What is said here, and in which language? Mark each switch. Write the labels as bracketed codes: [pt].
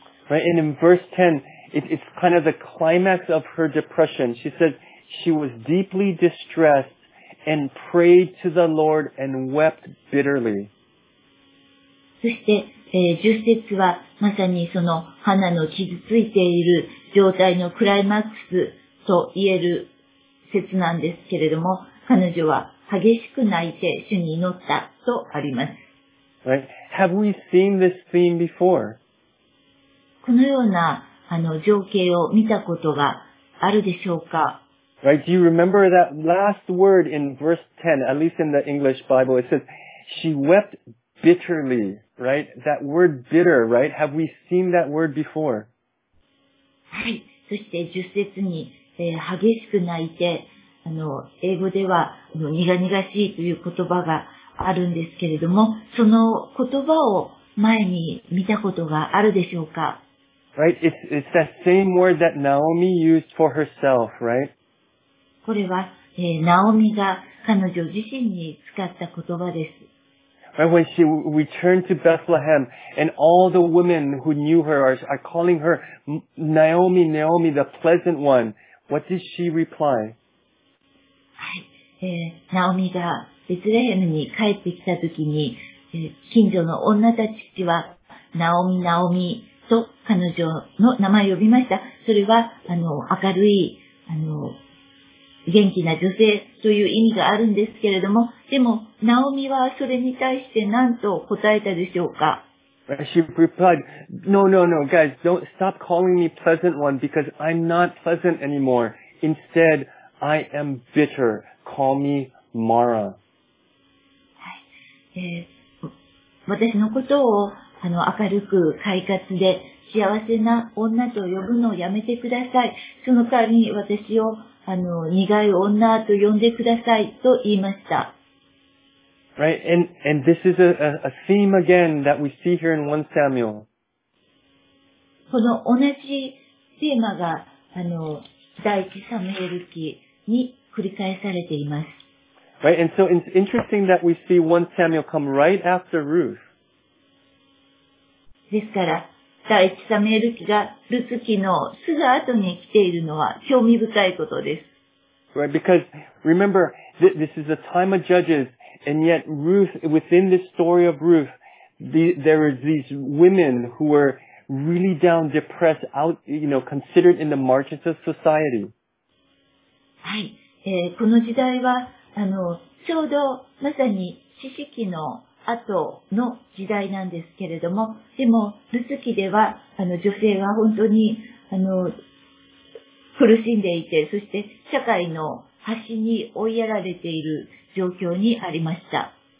[en] Right, and in verse 10, it's kind of the climax of her depression. She said she was deeply distressed and prayed to the Lord and wept bitterly. [ja] そして、10節は、まさにその、ハナの傷ついている状態のクライマックスと言える説なんですけれども、彼女は激しく泣いて主に祈ったとあります。 [en] Right. Have we seen this theme before? [ja] このような情景を見たことがあるでしょうか? [en] Right. Do you remember that last word in verse 10, at least in the English Bible, it says, she wept bitterly, right? That word bitter, right? Have we seen that word before? [ja] はい。そして10節に、激しく泣いて、英語では苦々しいという言葉があるんですけれども、その言葉を前に見たことがあるでしょうか? [en] Right, it's that same word that Naomi used for herself, right? [ja] これは、ナオミが彼女自身に使った言葉です。 [en] Right, when she returned to Bethlehem, and all the women who knew her are calling her Naomi, Naomi, the pleasant one, what did she reply? [ja] はい、ナオミが、ベツレヘムに帰ってきたときに、近所の女たちは、ナオミ、ナオミと彼女の名前を呼びました。それは、明るい、元気な女性という意味があるんですけれども、でも、ナオミはそれに対して何と答えたでしょうか? [en] She replied, No, no, no, guys, don't stop calling me pleasant one because I'm not pleasant anymore. Instead, I am bitter. Call me Mara. [ja] はい、私のことを明るく快活で幸せな女と呼ぶのをやめてください。その代わりに私を苦い女と呼んでくださいと言いました。 [en] Right, and this is a theme again that we see here in 1 Samuel. [ja] この同じテーマが第一サムエル記に繰り返されています。 [en] Right, and so it's interesting that we see 1 Samuel come right after Ruth. [ja] ですから、第一サムエル記がルツ記のすぐ後に来ているのは興味深いことです。 [en] Right, because remember, this is a time of judges, and yet Ruth, within this story of Ruth, there are these women who were really down, depressed, out, you know, considered in the margins of society. [ja] はい、この時代は、ちょうどまさに四世紀の後の時代なんですけれども、でも、ルツ記では、女性は本当に、苦しんでいて、そして、社会の端に追いやられている状況にありました。